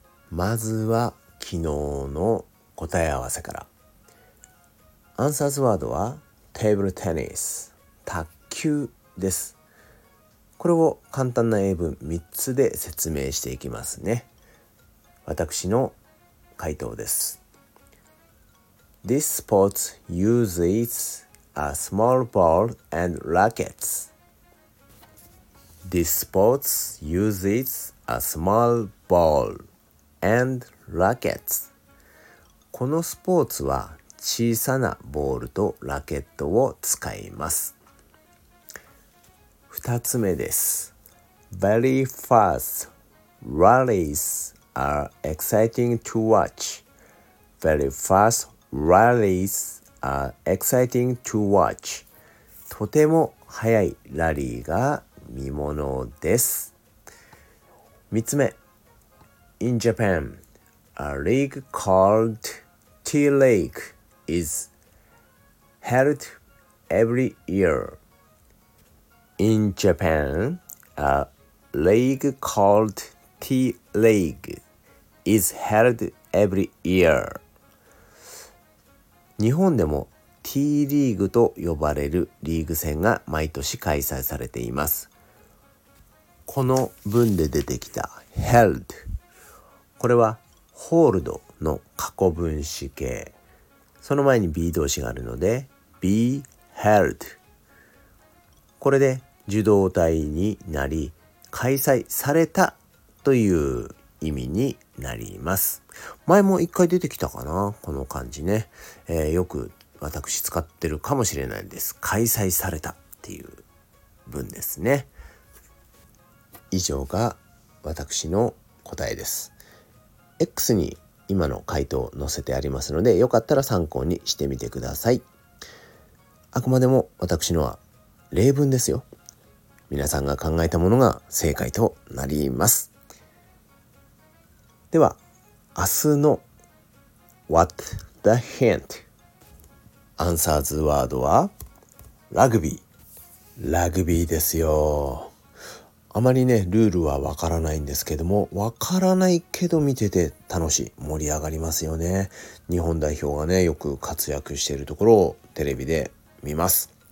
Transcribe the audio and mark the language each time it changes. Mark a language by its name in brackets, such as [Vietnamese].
[Japanese] まずは昨日の答え合わせから。アンサーズワードはテーブルテニス、卓球です。これを簡単な英文3つで説明していきますね。私の回答です。 [English] This sport uses a small ball and rackets. This sport uses a small ball and rackets. [Japanese] このスポーツは小さなボールとラケットを使います。 2つ目です。 [English] Very fast rallies are exciting to watch. Very fast rallies are exciting to watch. [Japanese] とても速いラリーが見ものです。 3つ目。 [English] In Japan, a league called Tea League. Is held every year. In Japan, a league called Tea League is held every year. [Japanese] 日本でも Tea League と呼ばれるリーグ戦が毎年開催されています。この文で出てきた held、これは hold の過去分詞形。その前に B 動詞があるので Be held、 これで受動態になり開催されたという意味になります。前も一回出てきたかな、この感じね、よく私使ってるかもしれないです。開催されたっていう文ですね。以上が私の答えです。X に今の回答を載せてありますので、よかったら参考にしてみてください。あくまでも私のは例文ですよ。皆さんが考えたものが正解となります。では、明日の [English] What the hint? [Japanese] アンサーズワードはラグビー。ラグビーですよ。あまりね、ルールはわからないんですけども、わからないけど見てて楽しい、盛り上がりますよね。日本代表がね、よく活躍しているところをテレビで見ます。